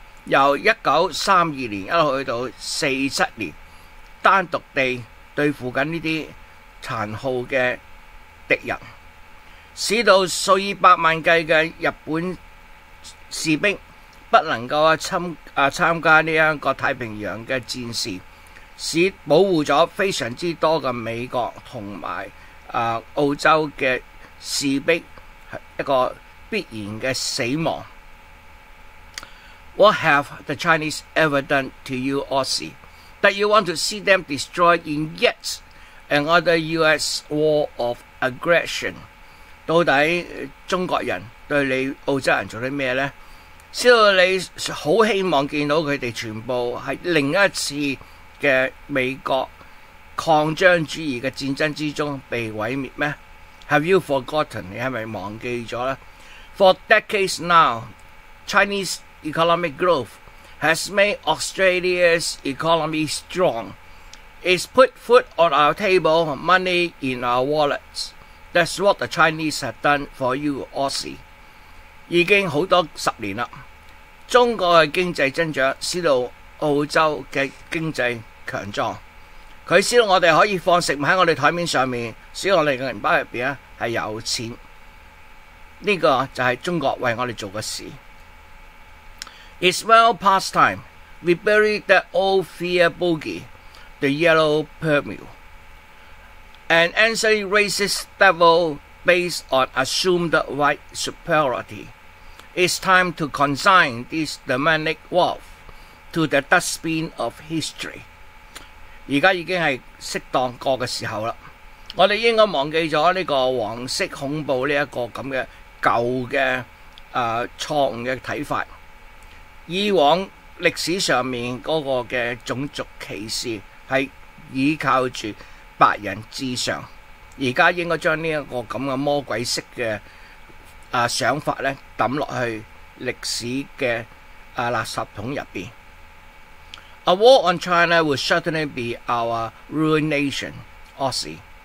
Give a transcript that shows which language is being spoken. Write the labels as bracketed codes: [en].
[yue] 由1932年一路去到47年，单独地对付紧呢啲残酷嘅敌人，使到数以百万计嘅日本士兵不能够参加呢一个太平洋嘅战事，使保护咗非常之多嘅美国同埋澳洲嘅士兵一个必然嘅死亡。 [en] What have the Chinese ever done to you, Aussie, that you want to see them destroyed in yet another U.S. war of aggression？ [yue] 到底中國人對你澳洲人做啲咩呢？知道你好希望見到佢哋全部喺另一次嘅美國擴張主義嘅戰爭之中被毀滅咩？ [en] Have you forgotten？ [yue] 你係咪忘記咗咧？ [en] For decades now, Chinese economic growth has made Australia's economy strong. It's put food on our table, money in our wallets. That's what the Chinese have done for you, Aussie。 [yue] 已经好多10年啦，中国嘅经济增长使到澳洲嘅经济强壮，佢使到我哋可以放食物喺我哋台面上面，使我哋嘅银包入边咧系有钱。呢个就系中国为我哋做嘅事。 [en] It's well past time we buried that old fear bogey, the yellow permeal, an ancient racist devil based on assumed white superiority. It's time to consign this demonic wolf to the dustbin of history。 [yue] 而家已经系适当过嘅时候啦，我哋应该忘记咗呢个黄色恐怖呢一个咁嘅旧嘅错误嘅睇法。以往歷史上面嗰個嘅種族歧視係依靠住白人至上，而家應該將呢一個咁嘅魔鬼式嘅想法咧抌落去歷史嘅垃圾桶入邊。 [en] A war on China would certainly be our ruination, Aussie.